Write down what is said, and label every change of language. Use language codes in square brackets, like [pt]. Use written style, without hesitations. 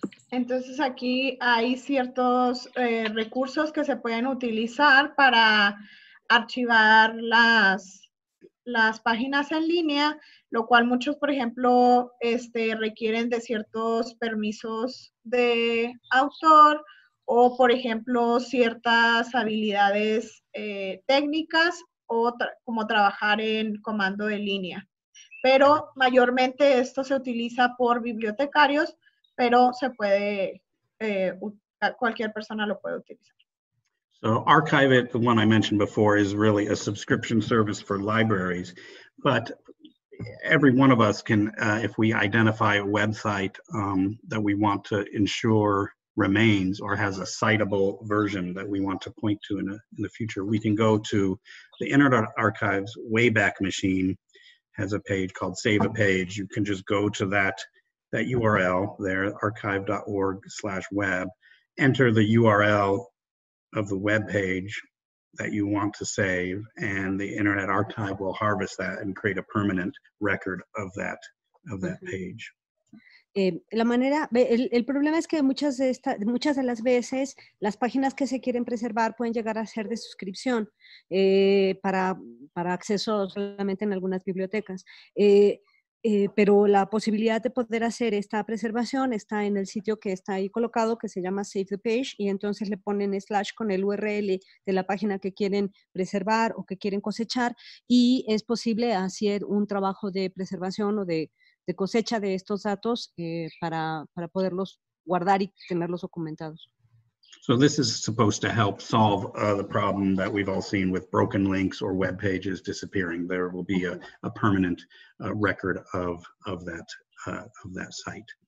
[es] Entonces aquí hay ciertos recursos que se pueden utilizar para archivar las páginas en línea, lo cual muchos, por ejemplo, requieren de ciertos permisos de autor o, por ejemplo, ciertas habilidades técnicas o como trabajar en comando de línea. Pero mayormente esto se utiliza por bibliotecarios, pero se puede, cualquier persona lo puede utilizar. [en] So Archiveit, the one I mentioned before, is really a subscription service for libraries. But every one of us can, if we identify a website that we want to ensure remains or has a citable version that we want to point to in the future, we can go to the Internet Archive's Wayback Machine, has a page called Save a Page. You can just go to that URL there, archive.org/web, enter the URL of the web page that you want to save, and the Internet Archive will harvest that and create a permanent record of that page. [es] La manera, el problema es que muchas de las veces las páginas que se quieren preservar pueden llegar a ser de suscripción para acceso solamente en algunas bibliotecas. Pero la posibilidad de poder hacer esta preservación está en el sitio que está ahí colocado, que se llama Save the Page, y entonces le ponen slash con el URL de la página que quieren preservar o que quieren cosechar, y es posible hacer un trabajo de preservación o de cosecha de estos datos para poderlos guardar y tenerlos documentados. [en] So this is supposed to help solve the problem that we've all seen with broken links or web pages disappearing. There will be a permanent record of that site.